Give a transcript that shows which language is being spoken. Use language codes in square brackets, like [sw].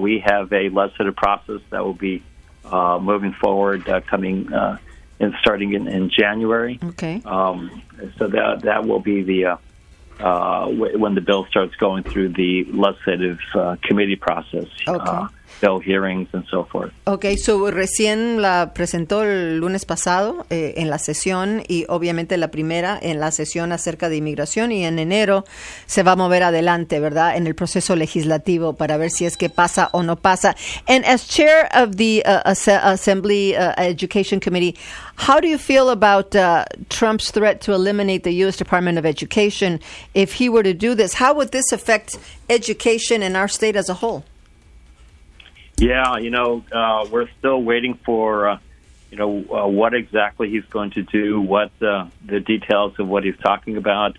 [en] We have a legislative process that will be moving forward coming and starting in January. Okay. So that will be the when the bill starts going through the legislative committee process. Okay. Bill hearings and so forth. [es] Okay, so recién la presentó el lunes pasado en la sesión y obviamente la primera en la sesión acerca de inmigración y en enero se va a mover adelante, ¿verdad? En el proceso legislativo para ver si es que pasa o no pasa. [en] And as chair of the Assembly Education Committee, how do you feel about Trump's threat to eliminate the U.S. Department of Education? If he were to do this, how would this affect education in our state as a whole? Yeah, you know, we're still waiting for, what exactly he's going to do, what the details of what he's talking about.